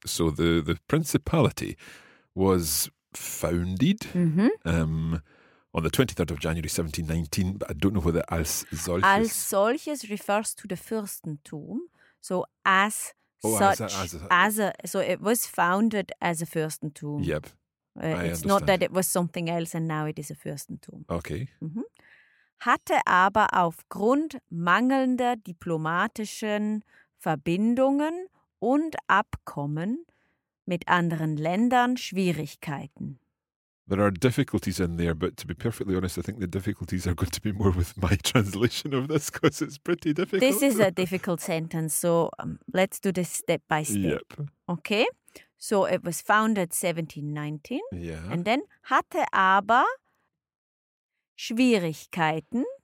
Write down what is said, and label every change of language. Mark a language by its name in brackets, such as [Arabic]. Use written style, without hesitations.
[English] So the principality was founded on the 23rd of January 1719, but I don't know whether [German] als solches. [English] Als solches refers to the Fürstentum. So as it was founded as a Fürstentum. Yep. It's not that it was something else and now it is a Fürstentum. Okay. Mm-hmm. [German] hatte aber aufgrund mangelnder diplomatischen Verbindungen und Abkommen mit anderen Ländern Schwierigkeiten. [English] There are difficulties in there, but to be perfectly honest, I think the difficulties are going to be more with my translation of this because it's pretty difficult. This is a difficult sentence, so let's do this step by step. Yep. Okay, so it was founded 1719. Yeah. And then [German] hatte aber Schwierigkeiten.